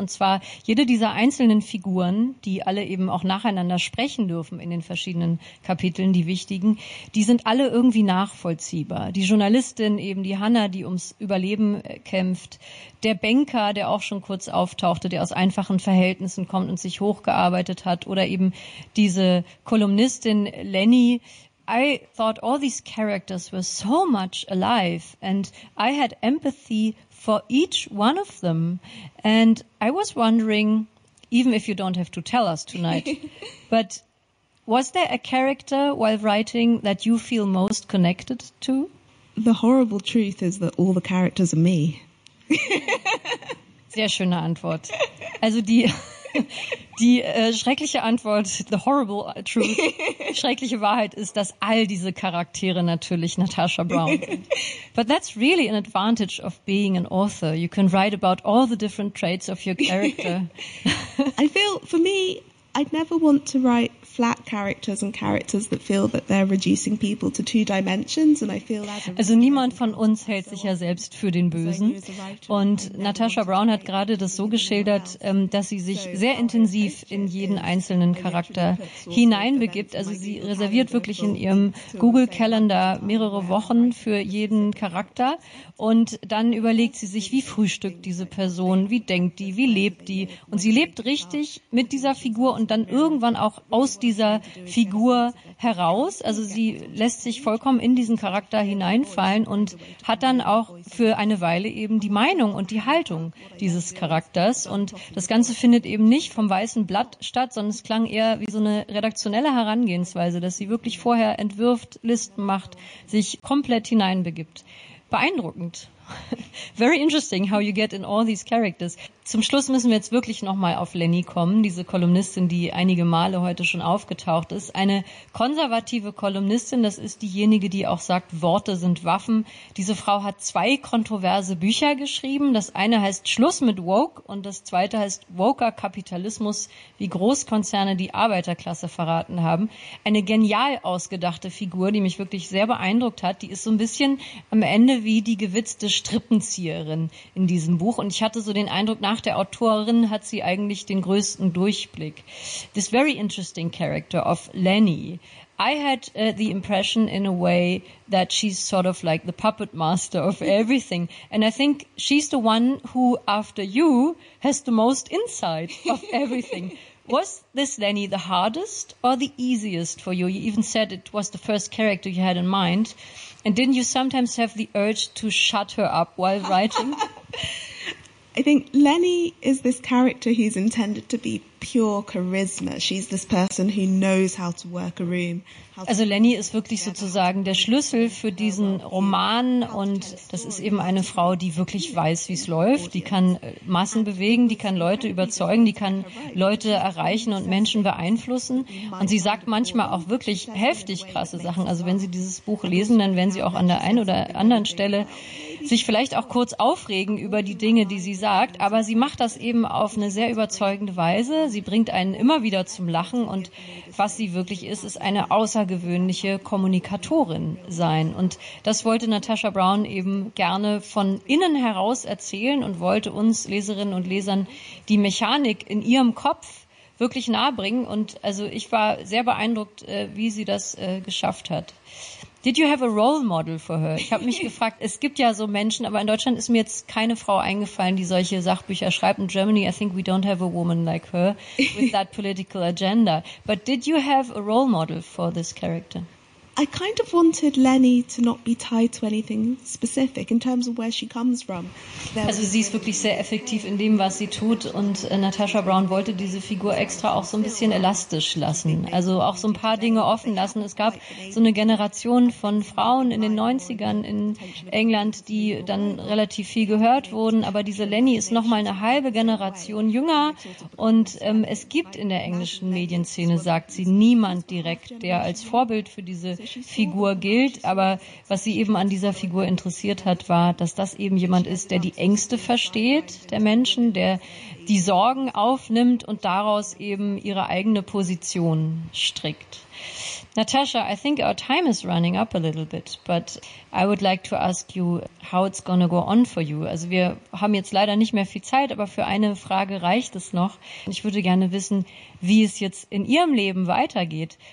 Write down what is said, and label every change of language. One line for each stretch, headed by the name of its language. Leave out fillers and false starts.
German: Und zwar jede dieser einzelnen Figuren, die alle eben auch nacheinander sprechen dürfen in den verschiedenen Kapiteln, die wichtigen, die sind alle irgendwie nachvollziehbar. Die Journalistin eben, die Hannah, die ums Überleben kämpft. Der Banker, der auch schon kurz auftauchte, der aus einfachen Verhältnissen kommt und sich hochgearbeitet hat. Oder eben diese Kolumnistin Lenny.
English: I thought all these characters were so much alive and I had empathy for each one of them. And I was wondering, even if you don't have to tell us tonight, but was there a character while writing that you feel most connected to? The horrible truth is that all the characters are me.
German: Sehr schöne Antwort. Also schreckliche Antwort,
English: the horrible truth,
German: schreckliche Wahrheit ist, dass all diese Charaktere natürlich Natasha Brown sind.
English: But that's really an advantage of being an author. You can write about all the different traits of your character. I feel, for me, I'd never want to write flat characters and characters that feel that they're reducing people to two dimensions. And I feel that.
German: Also niemand von uns hält sich ja selbst für den Bösen. Und Natasha Brown hat gerade das so geschildert, dass sie sich sehr intensiv in jeden einzelnen Charakter hineinbegibt. Also sie reserviert wirklich in ihrem Google-Kalender mehrere Wochen für jeden Charakter. Und dann überlegt sie sich, wie frühstückt diese Person, wie denkt die, wie lebt die. Und sie lebt richtig mit dieser Figur und dann irgendwann auch aus dieser Figur heraus. Also sie lässt sich vollkommen in diesen Charakter hineinfallen und hat dann auch für eine Weile eben die Meinung und die Haltung dieses Charakters. Und das Ganze findet eben nicht vom weißen Blatt statt, sondern es klang eher wie so eine redaktionelle Herangehensweise, dass sie wirklich vorher entwirft, Listen macht, sich komplett hineinbegibt. Beeindruckend.
English: Very interesting how you get in all these characters.
German: Zum Schluss müssen wir jetzt wirklich nochmal auf Lenny kommen, diese Kolumnistin, die einige Male heute schon aufgetaucht ist. Eine konservative Kolumnistin, das ist diejenige, die auch sagt, Worte sind Waffen. Diese Frau hat zwei kontroverse Bücher geschrieben. Das eine heißt Schluss mit Woke und das zweite heißt Woker Kapitalismus, wie Großkonzerne die Arbeiterklasse verraten haben. Eine genial ausgedachte Figur, die mich wirklich sehr beeindruckt hat. Die ist so ein bisschen am Ende wie die gewitzte Strippenzieherin in diesem Buch. Und ich hatte so den Eindruck, nach der Autorin hat sie eigentlich den größten Durchblick.
English: This very interesting character of Lenny. I had the impression in a way that she's sort of like the puppet master of everything. And I think she's the one who, after you, has the most insight of everything. Was this Lenny the hardest or the easiest for you? You even said it was the first character you had in mind. And didn't you sometimes have the urge to shut her up while writing? I think Lenny is this character who's intended to be pure charisma. She's this person who knows how to work a room.
German: Also Lenny ist wirklich sozusagen der Schlüssel für diesen Roman und das ist eben eine Frau, die wirklich weiß, wie es läuft. Die kann Massen bewegen, die kann Leute überzeugen, die kann Leute erreichen und Menschen beeinflussen. Und sie sagt manchmal auch wirklich heftig krasse Sachen. Also wenn Sie dieses Buch lesen, dann werden Sie auch an der einen oder anderen Stelle sich vielleicht auch kurz aufregen über die Dinge, die sie sagt. Aber sie macht das eben auf eine sehr überzeugende Weise. Sie bringt einen immer wieder zum Lachen und was sie wirklich ist, ist eine außergewöhnliche Kommunikatorin sein. Und das wollte Natasha Brown eben gerne von innen heraus erzählen und wollte uns Leserinnen und Lesern die Mechanik in ihrem Kopf wirklich nahebringen. Und also ich war sehr beeindruckt, wie sie das geschafft hat.
English: Did you have a role model for her?
German: Ich habe mich gefragt, es gibt ja so Menschen, aber in Deutschland ist mir jetzt keine Frau eingefallen, die solche Sachbücher schreibt.
English: In Germany, I think we don't have a woman like her with that political agenda. But did you have a role model for this character? I kind of wanted Lenny to not be tied to anything specific in terms of where she comes from.
German: Also sie ist wirklich sehr effektiv in dem, was sie tut und Natasha Brown wollte diese Figur extra auch so ein bisschen elastisch lassen, also auch so ein paar Dinge offen lassen. Es gab so eine Generation von Frauen in den 90ern in England, die dann relativ viel gehört wurden, aber diese Lenny ist nochmal eine halbe Generation jünger und es gibt in der englischen Medienszene, sagt sie, niemand direkt, der als Vorbild für diese Figur gilt, aber was sie eben an dieser Figur interessiert hat, war, dass das eben jemand ist, der die Ängste versteht der Menschen, der die Sorgen aufnimmt und daraus eben ihre eigene Position strickt.
English: Natasha, I think our time is running up a little bit, but I would like to ask you how it's gonna go on for you.
German: Also wir haben jetzt leider nicht mehr viel Zeit, aber für eine Frage reicht es noch. Ich würde gerne wissen, wie es jetzt in Ihrem Leben weitergeht.